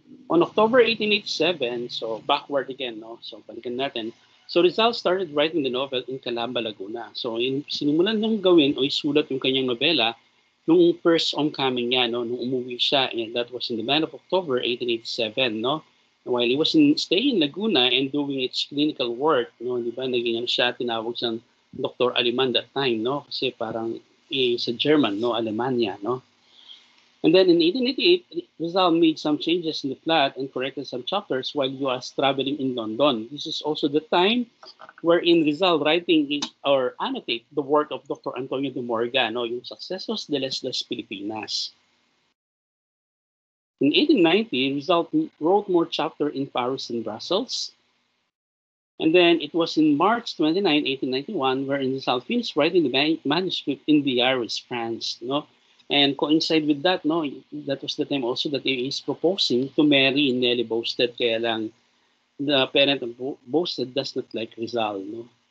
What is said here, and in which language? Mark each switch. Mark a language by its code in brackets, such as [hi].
[en] On October 1887, so backward again, no? [tl] So balikan natin. [en] So Rizal started writing the novel in Calamba, Laguna. [tl] So in sinimulan niyang gawin o isulat yung kanyang nobela nung first homecoming niya, no? Nung umuwi siya, [en] and that was in the month of October 1887, no? While he was staying in Laguna and doing its clinical work, no? [tl] Di ba, naging siya tinawag siyang Dr. Aleman that time, no? Kasi parang sa German, no? Alemania, no? [en] And then in 1888, Rizal made some changes in the plot and corrected some chapters while he was traveling in London. This is also the time wherein Rizal writing or annotate the work of Dr. Antonio de Morga, no, yung Sucesos de las Filipinas. In 1890, Rizal wrote more chapters in Paris and Brussels. And then it was in March 29, 1891, wherein Rizal finished writing the manuscript in Biarritz, France, no? And coincide with that, no, that was the time also that he is proposing to marry Nelly Bosted, kaya lang the parent of Bosted does not like Rizal, no.